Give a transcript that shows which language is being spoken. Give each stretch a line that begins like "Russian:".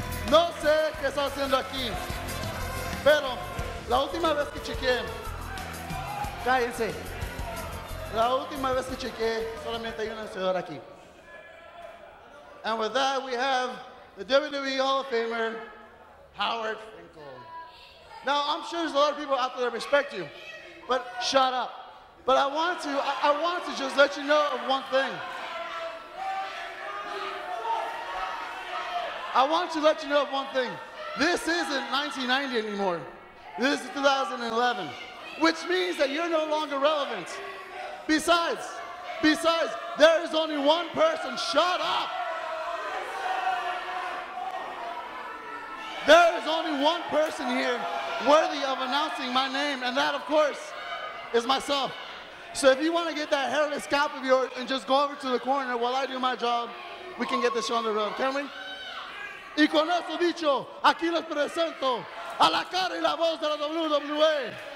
Spanish: No sé qué está haciendo aquí, pero la última vez que chequeé, cállense. La última vez que chequeé, solamente hay un vencedor aquí.
English: And with that, we have the WWE Hall of Famer, Howard Finkel. Now, I'm sure there's a lot of people out there that respect you, but shut up. But I want to just let you know of one thing. I want to let you know of one thing. This isn't 1990 anymore. This is 2011, which means that you're no longer relevant. Besides, there is only one person. Shut up! There is only one person here worthy of announcing my name, and that, of course, is myself. So if you want to get that hairless scalp of yours and just go over to the corner while I do my job, we can get this show on the road, can we?
Spanish: Y con eso dicho, aquí les presento a la cara y la voz de la WWE.